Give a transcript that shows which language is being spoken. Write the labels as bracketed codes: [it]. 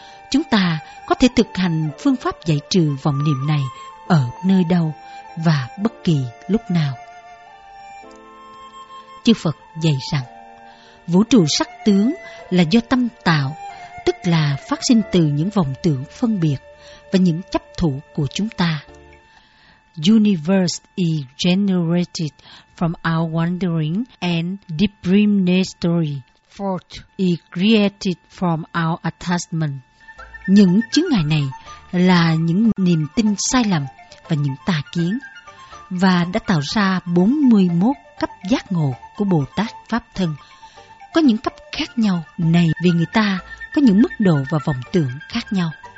[vi] Chúng ta có thể thực hành phương pháp giải trừ vọng niệm này ở nơi đâu và bất kỳ lúc nào. Chư Phật dạy rằng, vũ trụ sắc tướng là do tâm tạo, tức là phát sinh từ những vọng tưởng phân biệt và những chấp thủ của chúng ta. [en] Universe is generated from our wandering and discriminatory thought, is created from our attachment. [vi] Những chướng ngại này là những niềm tin sai lầm và những tà kiến, và đã tạo ra 41 cấp giác ngộ của Bồ Tát Pháp Thân. Có những cấp khác nhau này vì người ta có những mức độ và vọng tưởng khác nhau.